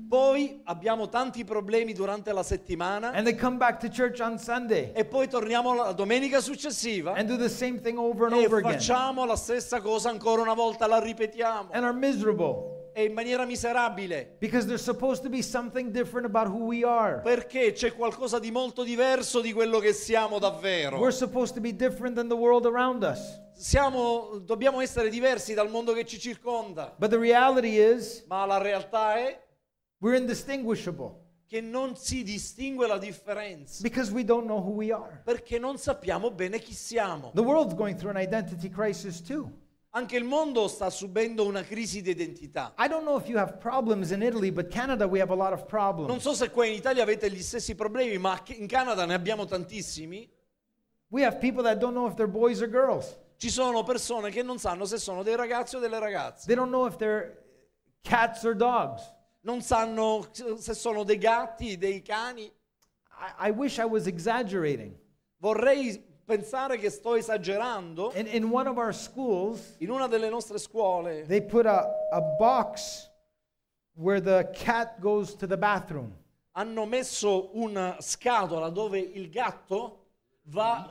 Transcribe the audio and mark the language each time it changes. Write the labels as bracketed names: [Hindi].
[Italian] Poi abbiamo tanti problemi durante la settimana. [English] And they come back to church on Sunday. [Italian] E poi torniamo la domenica successiva. [English] And do the same thing over and over again. [Italian] E facciamo la stessa cosa ancora una volta, la ripetiamo. [English] And are miserable. [Italian] E in maniera miserabile. [English] Because there's supposed to be something different about who we are. [Italian] Perché c'è qualcosa di molto diverso di quello che siamo davvero. [English] We're supposed to be different than the world around us. [Italian] Dobbiamo essere diversi dal mondo che ci circonda. [English] But the reality is, [Italian] ma la realtà è, [English] we're indistinguishable. [Italian] Che non si distingue la differenza. [English] Because we don't know who we are. [Italian] Perché non sappiamo bene chi siamo. [English] The world's going through an identity crisis too. [Italian] Anche il mondo sta subendo una crisi d'identità. [English] I don't know if you have problems in Italy, but Canada we have a lot of problems. [Italian] Non so se qua in Italia avete gli stessi problemi, ma in Canada ne abbiamo tantissimi. [English] We have people that don't know if they're boys or girls. [Italian] Ci sono persone che non sanno se sono dei ragazzi o delle ragazze. [English] They don't know if they're cats or dogs. [Italian] Non sanno se sono dei gatti, dei cani. [English] I wish I was exaggerating. [Italian] Vorrei pensare che sto esagerando. [English] In one of our schools, [Italian] in una delle nostre scuole, [English] they put a box where the cat goes to the bathroom. [Italian] Hanno messo una scatola dove il gatto va